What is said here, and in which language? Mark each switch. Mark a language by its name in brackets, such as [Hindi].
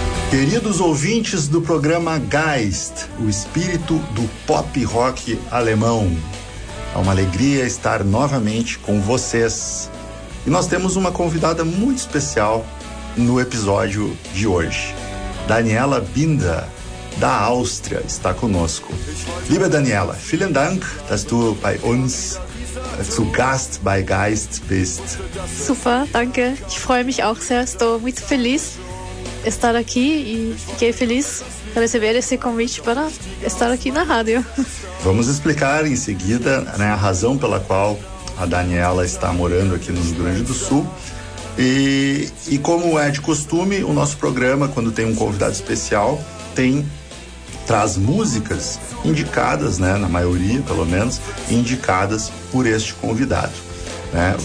[Portuguese] Queridos ouvintes do programa Geist, o espírito do pop rock alemão. É uma alegria estar novamente com vocês. E nós temos uma convidada muito especial no episódio de hoje. Daniela Binder, da Áustria, está conosco. [German] Liebe Daniela, vielen Dank, dass du bei uns zu Gast bei Geist bist. Super, danke. Ich freue mich auch sehr. [Portuguese] Estou muito feliz estar aqui e fiquei feliz receber esse convite para estar aqui na rádio. Vamos explicar em seguida, né, a razão pela qual a Daniela está morando aqui no Rio Grande do Sul. E como é de costume, o nosso programa, quando tem um convidado especial, traz músicas indicadas, né, na maioria, pelo menos, indicadas por este convidado. Né?